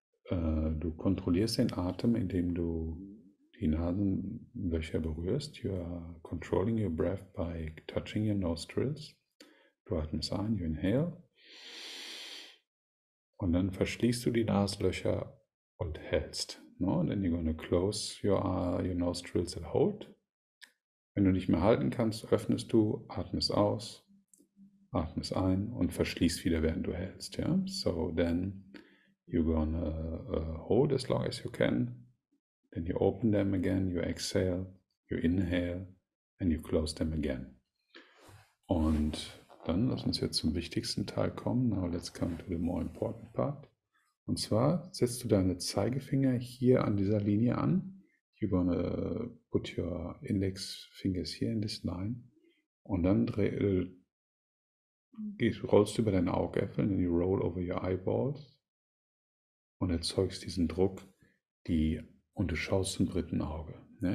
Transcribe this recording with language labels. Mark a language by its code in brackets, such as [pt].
[de] Du kontrollierst den Atem, indem du die Nasenlöcher berührst. [en] You are controlling your breath by touching your nostrils. [de] Du atmest ein, [en] you inhale. [de] Und dann verschließt du die Nasenlöcher und hältst. No? [en] And then you're going to close your nostrils and hold. [de] Wenn du nicht mehr halten kannst, öffnest du, atmest aus. Atme es ein und verschließ wieder, während du hältst. Yeah? [en] So then you're gonna hold as long as you can. Then you open them again, you exhale, you inhale and you close them again. [de] Und dann lass uns jetzt zum wichtigsten Teil kommen. [en] Now let's come to the more important part. [de] Und zwar setzt du deine Zeigefinger hier an dieser Linie an. [en] You're gonna put your index fingers here in this line. [de] Und dann rollst du über deine Augäpfel, [en] then you roll over your eyeballs [de] und erzeugst diesen Druck, und du schaust zum dritten Auge. [en] Yeah?